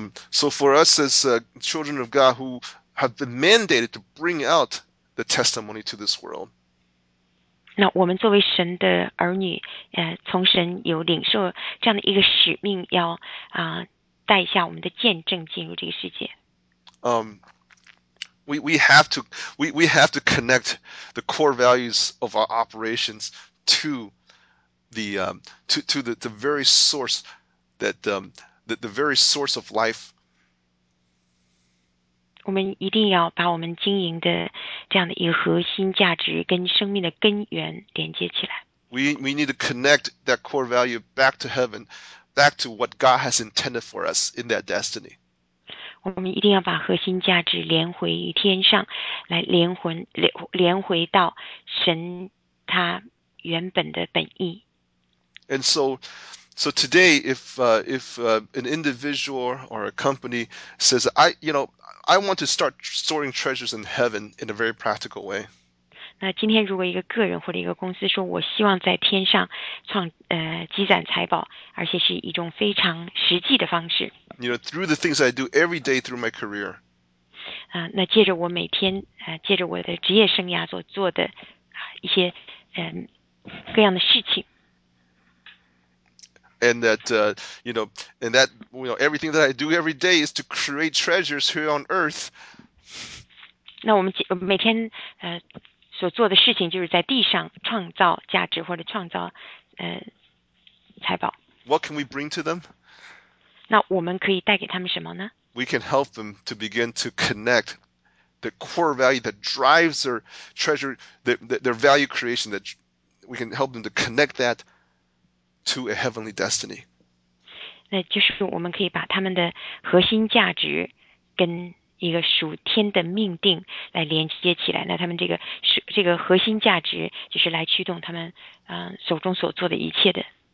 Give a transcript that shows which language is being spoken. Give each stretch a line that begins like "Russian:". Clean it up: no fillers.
English: So for us as children of God who have been mandated to bring out the testimony to this world.
Chinese: 那我们作为神的儿女，从神有领受这样的一个使命，要带下我们的见证进入这个世界。
English: We have to connect the core values of our operations to the to the very source that the very source of life.
Chinese: 我们一定要把我们经营的这样的一个核心价值跟生命的根源连接起来。
English: We need to connect that core value back to heaven, back to what God has intended for us in that destiny.
Chinese: 我们一定要把核心价值连回于天上，来连回到神他原本的本意。
English: And so today, if an individual or a company says, I want to start storing treasures in heaven in a very practical way.
Chinese: 那今天如果一个个人或者一个公司说，我希望在天上积攒财宝，而且是一种非常实际的方式。
English: You know, through the things I do every day through my career.
Chinese: 那借着我每天借着我的职业生涯所做的一些各样的事情。
English: And that, everything that I do every day is to create treasures here on earth.
Chinese: 那我们每天所做的事情就是在地上创造价值或者创造财宝。
English: What can we bring to them?
Chinese: 那我们可以带给他们什么呢？
English: We can help them to begin to connect the core value that drives their treasure, their value creation, that we can help them to connect that. To a heavenly destiny.
Chinese: 那就是我们可以把他们的核心价值跟一个属天的命定来连接起来。那他们这个核心价值就是来驱动他们手中所做的一切的。